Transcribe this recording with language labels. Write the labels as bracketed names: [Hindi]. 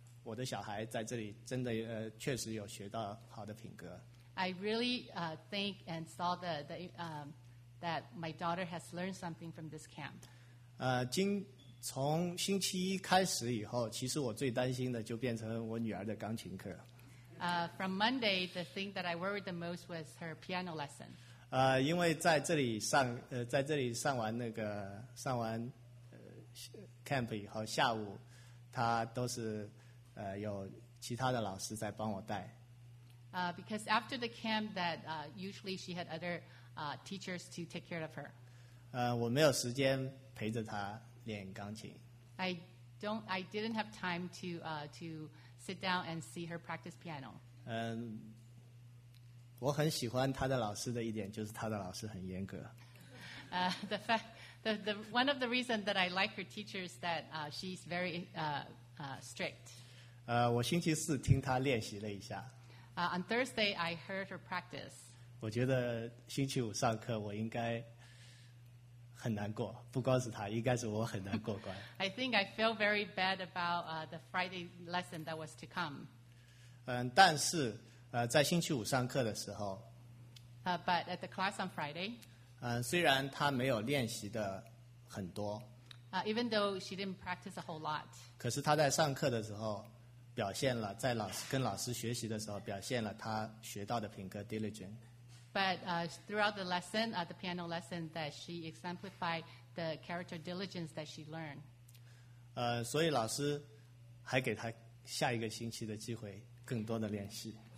[Chinese] 我的小孩在这里真的确实有学到好的品格。 [English] I really think and saw that my daughter has learned something from this camp. [Chinese] 从星期一开始以后，其实我最担心的就变成我女儿的钢琴课。 [English] From Monday, the thing that I worried the most was her piano lesson. [Chinese] 因为在这里上完camp以后，下午她都是。 有其他的老师在帮我带。 [English] because after the camp that usually she had other teachers to take care of her. [Chinese] 我没有时间陪着她练钢琴。 [English] I didn't have time to sit down and see her practice piano. [Chinese] 我很喜欢她的老师的一点就是她的老师很严格。 [English] One of the reasons that I like her teacher is that she's very strict. [Chinese] 我星期四听她练习了一下。 [English] On Thursday, I heard her practice. [Chinese] 我觉得星期五上课我应该 很难过，不光是他，应该是我很难过关。 [English] I think I feel very bad about the Friday lesson that was to come. [Chinese] 但是在星期五上课的时候， [English] But at the class on Friday, [Chinese] 虽然他没有练习的很多， [English] Even though she didn't practice a whole lot, [Chinese] 可是他在上课的时候表现了，在老师跟老师学习的时候表现了他学到的品格 diligent。 [English] But throughout the lesson, the piano lesson, that she exemplified the character diligence that she learned. [Chinese] 所以老师还给她下一个星期的机会，更多的练习。